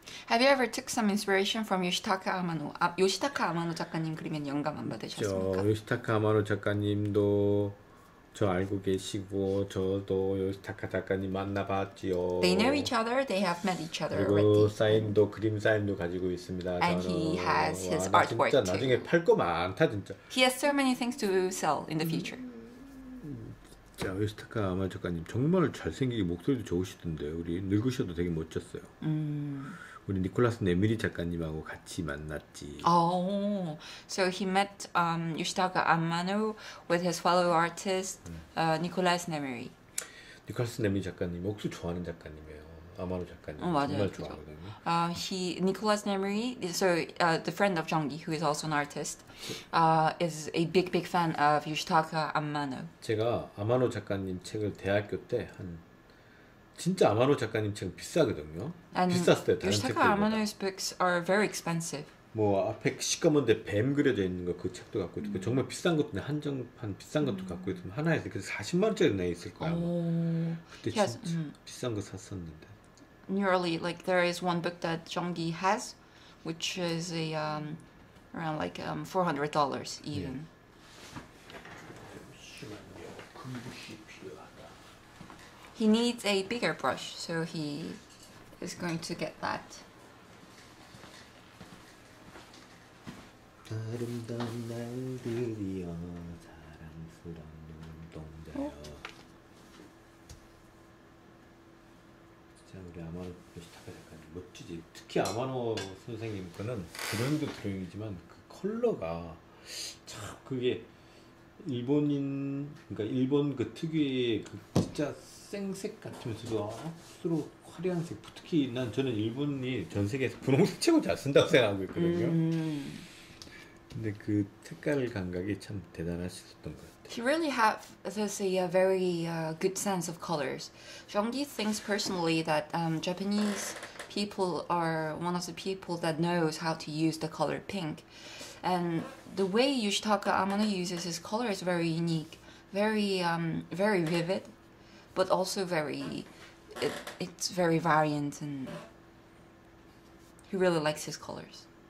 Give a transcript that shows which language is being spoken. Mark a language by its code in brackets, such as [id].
[en] Have you ever took some inspiration from Yoshitaka Amano? [ko] 아, 요시타카 아마노 작가님 그림에 영감 안 받으셨습니까? 저 요시타카 아마노 작가님도 저 알고 계시고 저도 요시타카 작가님 만나봤지요. [en] They know each other. They have met each other. [ko] 그리고 사인도 그림 사인도 가지고 있습니다. [en] And [ko] 저는. [en] He has his artwork. [ko] 진짜 나중에 팔 거 많다 진짜. [en] He has so many things to sell in the future. [ko] 자, 요시타카 아마노 작가님 정말 잘생기고 목소리도 좋으시던데 우리 늙으셔도 되게 멋졌어요. 우리 니콜라스 네미리 작가님하고 같이 만났지. [en] Oh, so he met Yoshitaka Amano with his fellow artist, Nicolas Nemiri. [ko] 니콜라스 네미리 작가님 목소리 좋아하는 작가님이에요. 아마노 작가님 맞아요, 정말 그죠. 좋아하거든요. [en] He Nicolas Nemiri, so the friend of Jonggi, who is also an artist, is a big, big fan of Yoshitaka Amano. [ko] 제가 아마노 작가님 책을 대학교 때 한 진짜 아마노 작가님 책 비싸거든요. 비쌌어요. 다른 책들. [en] Yoshitaka Amano's books are very expensive. [ko] 뭐 앞에 시커먼데 뱀 그려져 있는 거 그 책도 갖고 있고 정말 비싼 것도 한정판 비싼 것도 갖고 있으면 하나에 그 40만 원짜리 내 있을 거야. 오, 그때 진짜 비싼 거 샀었는데. [en] Nearly like there is one book that Jonggi has, which is a around like $400 even. [ko] 예. 잠시만요. [en] He needs a bigger brush, so he is going to get that. [ko] 아름다운 날들이여 사랑스런 눈동자여. 진짜 우리 아마노 요시타카 작가님 멋지지. 특히 아마노 선생님 거는 드로잉도 드로잉이지만 그 컬러가 참 그게 일본인 그러니까 일본 그 특유의 그 진짜 생색 같으면서도 억수로 화려한 색. 특히 난 저는 일본이 전 세계에서 분홍색 최고 잘 쓴다고 생각하고 있거든요. 근데 그 색깔 감각이 참 대단하셨던 것 같아요. [en] He really have this a very good sense of colors. Jonggi thinks personally that Japanese people are one of the people that knows how to use the color pink. And the way Yoshitaka Amano uses his color is very unique, very very vivid, but also very it's very variant, and he really likes his colors.